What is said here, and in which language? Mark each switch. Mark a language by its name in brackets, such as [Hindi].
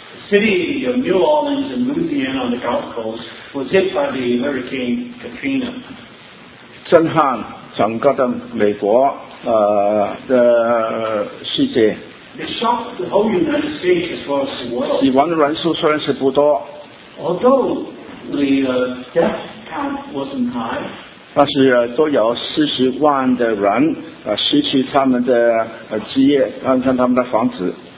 [English] City of New Orleans and Louisiana on the Gulf Coast was hit by the Hurricane Katrina. [Chinese] 震撼整个的美国的世界。 [English] It shocked the whole United States as well as the world. [Chinese] 死亡的人数虽然是不多 [English] ，although The death count wasn't high. [Chinese] 但是都有四十万的人失去他们的基业，让他们的房子。